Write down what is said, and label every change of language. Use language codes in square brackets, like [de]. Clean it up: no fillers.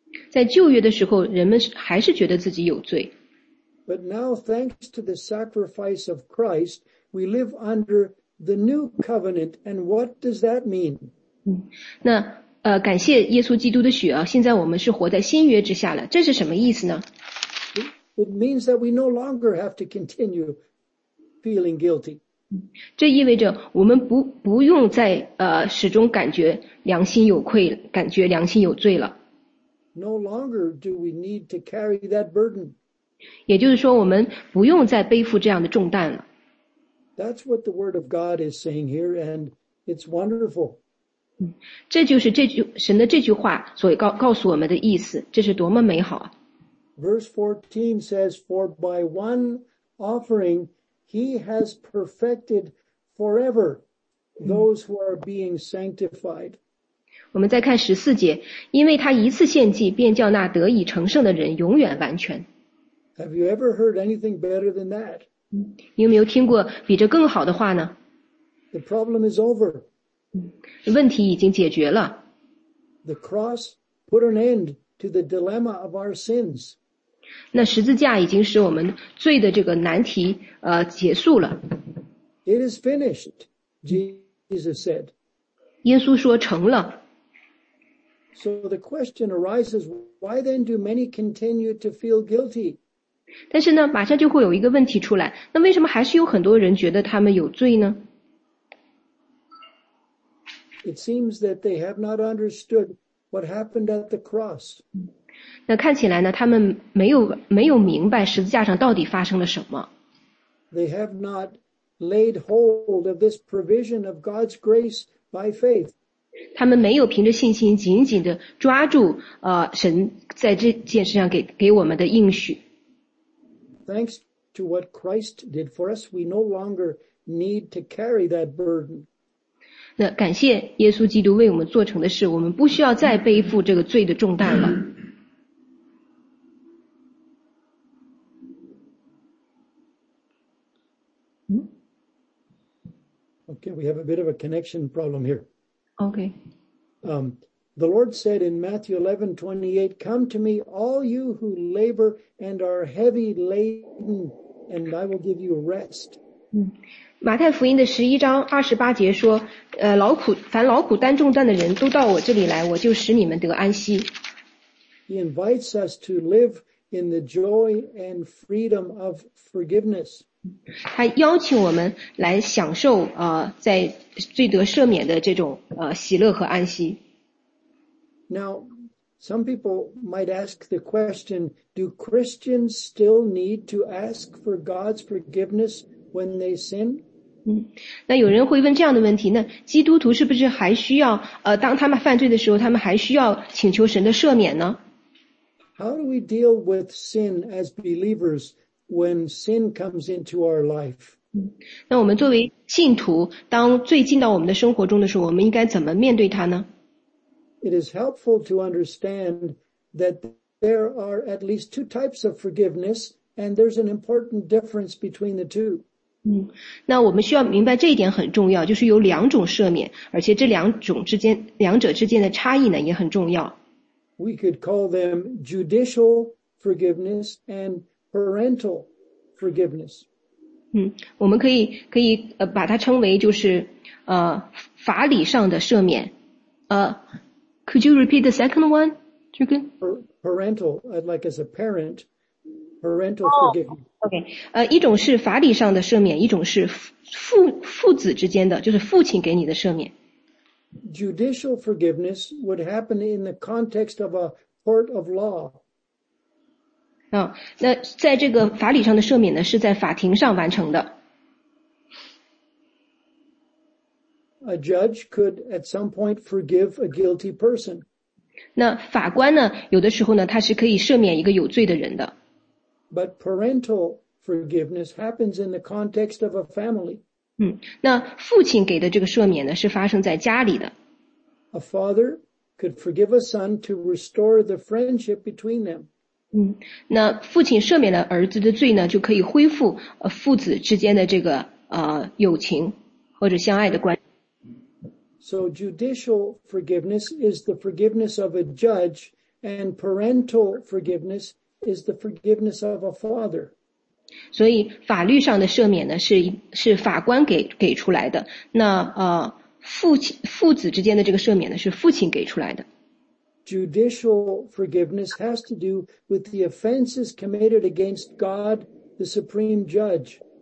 [zh] 在旧约的时候，人们还是觉得自己有罪。 [en] But now, thanks to the sacrifice of Christ, we live under the new covenant. And what does that mean? [zh] 那感谢耶稣基督的血啊，现在我们是活在新约之下了，这是什么意思呢？ [en] It means that we no longer have to continue feeling guilty. [zh] 这意味着我们不用再始终感觉良心有愧，感觉良心有罪了。 [en] No longer do we need to carry that burden. [zh] 也就是说我们不用再背负这样的重担了。 [en] That's what the word of God is saying here, and it's wonderful. [zh] 这就是神的这句话所告诉我们的意思，这是多么美好啊。 [en] Verse 14 says, for by one offering he has perfected forever those who are being sanctified. [zh] 我们再看14节，因为他一次献祭便叫那得以成圣的人永远完全。 [en] Have you ever heard anything better than that? [zh] 你有没有听过比这更好的话呢？ [en] The problem is over. [zh] 问题已经解决了。 [en] The cross put an end to the dilemma of our sins. [zh] 那十字架已经使我们罪的这个难题结束了。 [en] It is finished, Jesus said. [zh] 耶稣说成了。 [en] So the question arises, why then do many continue to feel guilty? [zh] 但是呢，马上就会有一个问题出来，那为什么还是有很多人觉得他们有罪呢？ [en] It seems that they have not understood what happened at the cross. [zh] 那看起来呢，他们没有明白十字架上到底发生了什么。 [en] They have not laid hold of this provision of God's grace by faith. [zh] 他们没有凭着信心紧紧地抓住神在这件事上给我们的应许。 [en] Thanks to what Christ did for us, we no longer need to carry that burden. [zh] 那感谢耶稣基督为我们做成的事，我们不需要再背负这个罪的重担了。 [en] Okay, we have a bit of a connection problem here. Okay. The Lord said in Matthew 11:28, Come to me, all you who labor and are heavy laden, and I will give you rest. [zh] 马太福音的11:28说，凡劳苦担重担的人都到我这里来，我就使你们得安息。 [en] He invites us to live in the joy and freedom of forgiveness. [zh] 他邀请我们来享受在罪得赦免的这种喜乐和安息。 [en] Now, some people might ask the question, do Christians still need to ask for God's forgiveness when they sin? [zh] 那有人会问这样的问题，那基督徒是不是还需要当他们犯罪的时候，他们还需要请求神的赦免呢？ [en] How do we deal with sin as believers when sin comes into our life? [zh] 那我们作为信徒，当罪进到我们的生活中的时候，我们应该怎么面对它呢？ [en] It is helpful to understand that there are at least two types of forgiveness, and there's an important difference between the two. [zh] 那我们需要明白这一点很重要，就是有两种赦免，而且这两者之间的差异呢也很重要。 [en] We could call them judicial forgiveness and parental forgiveness. [zh] 我们可以把它称为就是法理上的赦免。 [en] Could you repeat the second one, Jürgen? Parental, like as a parent, parental forgiveness. Okay, [zh] 一种是法理上的赦免，一种是父子之间的，就是父亲给你的赦免。 [en] Judicial forgiveness would happen in the context of a court of law. [zh] 那在这个法理上的赦免呢，是在法庭上完成的。 [en] A judge could at some point forgive a guilty person. [zh] 那法官呢，有的时候呢，他是可以赦免一个有罪的人的。 [en] But parental forgiveness happens in the context of a family. [zh] 那父亲给的这个赦免呢，是发生在家里的。 [en] A father could forgive a son to restore the friendship between them. [zh] 那父亲赦免了儿子的罪呢，就可以恢复父子之间的这个友情或者相爱的关系。 [en] So judicial forgiveness is the forgiveness of a judge, and parental forgiveness is the forgiveness of a father. [zh] 所以法律上的赦免呢，是法官给出来的。那父子之间的这个赦免呢，是父亲给出来的。 [en] Judicial forgiveness has to do with the offenses committed against God, the supreme judge.